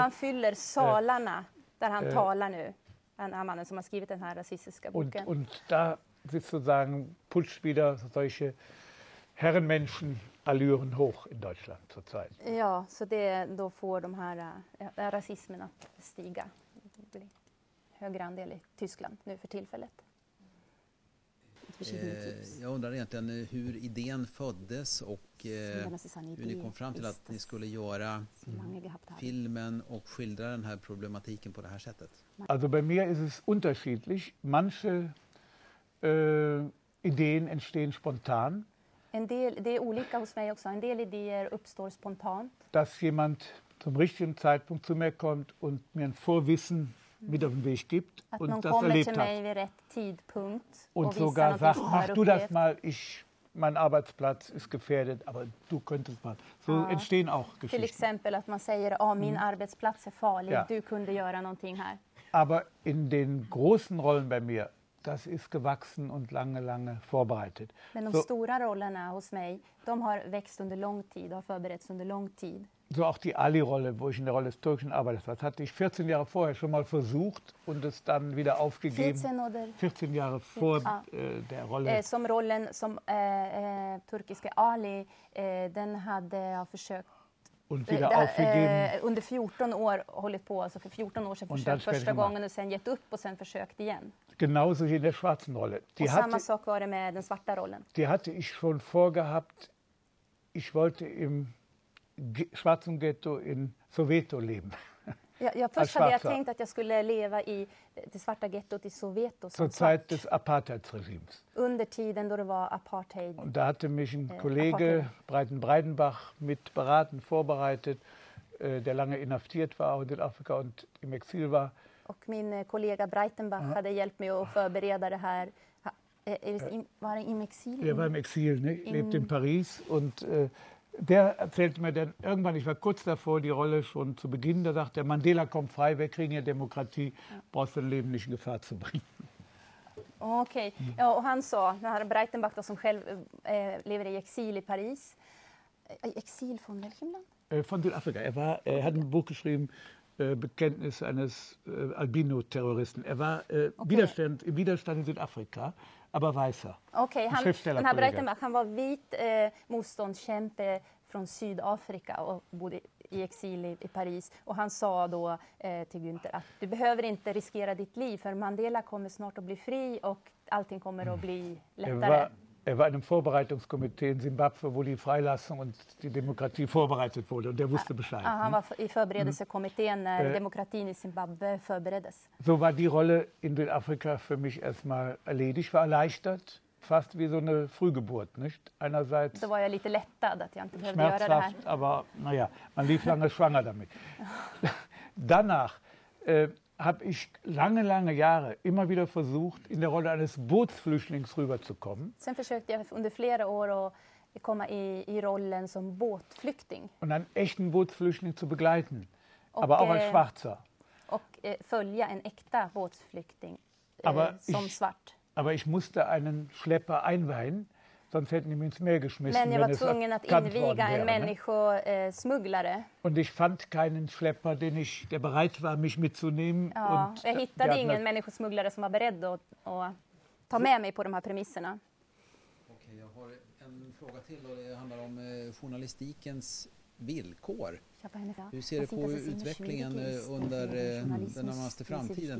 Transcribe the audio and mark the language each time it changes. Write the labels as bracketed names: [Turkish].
[Swedish] Han fyller salarna där han talar nu. Den här mannen som har skrivit den här rasistiska boken. [German] Und da sitzt sozusagen putscht wieder solche Herrenmenschen allüren hoch in Deutschland zurzeit. [Swedish] Ja, så det då får de här rasismen att stiga. Blir högre andel i Tyskland nu för tillfället. Jag undrar egentligen hur idén föddes och hur ni kom fram till att ni skulle göra filmen och skildra den här problematiken på det här sättet. [German] Also bei mir ist es unterschiedlich. Manche Ideen entstehen spontan. [Swedish] En del, det är olika hos mig också. En del idéer uppstår spontant. [German] Dass jemand zum richtigen Zeitpunkt zu mir kommt und mir ein Vorwissen mit auf den Weg gibt und das erlebt hat. [Swedish] Vid rätt tidpunkt [German] und sogar sagt, mach du das mal, mein Arbeitsplatz ist gefährdet, aber du könntest mal. So entstehen auch Geschichten. [Swedish] Till exempel att man säger, oh, min [German] Arbeitsplatz ist [Swedish] farlig, du kunde göra någonting här. [German] Aber in den großen Rollen bei mir, das ist gewachsen und lange, lange vorbereitet. [Swedish] Men de stora rollerna hos mig, de har växt under lång tid, har förberetts under lång tid. [German] So auch die Ali-Rolle, wo ich in der Rolle des türkischen Arbeiters war, hatte ich 14 Jahre vorher schon mal versucht und es dann wieder aufgegeben. 14 Jahre vor der Rolle. [Swedish] Som rollen som türkiske Ali, den hade jag försökt. [German] Und wieder aufgegeben. [Swedish] Under 14 år hållit på, alltså för 14 år sedan försökt första gången och sen gett upp och sen försökt igen. [German] Genauso wie in der schwarzen Rolle. Die hatte, [Swedish] samma sak var det med den svarta rollen. [German] Die hatte ich schon vorgehabt, ich wollte im schwarzen Ghetto in Soweto leben. [Swedish] Ja, först hade jag tänkt att jag skulle leva i det svarta gettot i Soweto. [German] Zur Zeit des Apartheidsregimes. [Swedish] Under tiden då det var apartheid. [German] Und da hatte mich ein Kollege Breitenbach mit beraten, vorbereitet, der lange inhaftiert war in Afrika und im Exil war. [Swedish] Och min kollega Breitenbach hade hjälpt mig att förbereda det här. Var han i exil? Ja, var i exil, ne? [German] Lebte in Paris und der erzählte mir dann irgendwann, ich war kurz davor, die Rolle schon zu beginnen, da sagte er, Mandela kommt frei, wir kriegen ja Demokratie, brauchst du dein Leben nicht in Gefahr zu bringen. [Swedish] Okay, ja, und han sa, när Breitenbach, som själv lever i exil i Paris, exil [German] von welchem Land? Von Südafrika. Er hat ein Buch geschrieben, Bekenntnis eines Albino-Terroristen. Er war Widerstand, im Widerstand in Südafrika. Aber weißer. [Swedish] Okay, han har berättat att han var vit motståndskämpe från Sydafrika och bodde i exil i Paris. Och han sa då till Günther att du behöver inte riskera ditt liv för Mandela kommer snart att bli fri och allting kommer att bli lättare. [German] Er war in einem Vorbereitungskomitee in Zimbabwe, wo die Freilassung und die Demokratie vorbereitet wurde. Und er wusste Bescheid. Aha, war im Vorbereitungskomitee, als Demokratie in Zimbabwe vorbereitet. So war die Rolle in Südafrika für mich erstmal erledigt. War erleichtert, fast wie so eine Frühgeburt, nicht? Einerseits. Da war ja ein bisschen [Swedish] lettad, [German] dass ich nicht [Swedish] behöver göra det här. [German] Aber naja, man lief lange schwanger damit. Danach habe ich lange, lange Jahre immer wieder versucht, in der Rolle eines Bootsflüchtlings rüberzukommen. [Swedish] Sen försökte jag under flera år att komma i rollen som båtflykting. [German] Und einen echten Bootsflüchtling zu begleiten, aber auch als Schwarzer. [Swedish] Och följa en äkta båtsflykting som svart. [German] Aber ich musste einen Schlepper einweihen, sonst hätten die mich ins Meer geschmissen. [Swedish] Men jag var tvungen att inviga en människosmugglare. [German] Und ich fand keinen Schlepper, der bereit war, mich mitzunehmen. Ja, und [Swedish] jag hittade ingen människosmugglare som var beredd att ta med mig på de här premisserna. Okej, jag har en fråga till och det handlar om journalistikens villkor. Hur ser du på utvecklingen under den närmaste framtiden?